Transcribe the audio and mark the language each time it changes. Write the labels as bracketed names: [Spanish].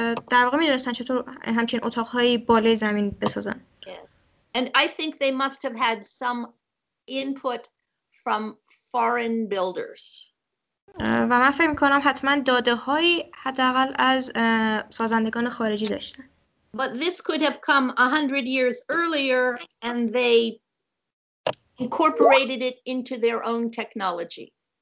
[Persian] در واقع می‌دونستن چطور همچین اتاق‌های بالای زمین بسازن. [English] And I think they must have had some input from foreign builders. [Persian] و من فکر می‌کنم حتما داده‌هایی حداقل از سازندگان خارجی داشتن. [English] But this could have come 100 years earlier and they incorporated it into their own technology.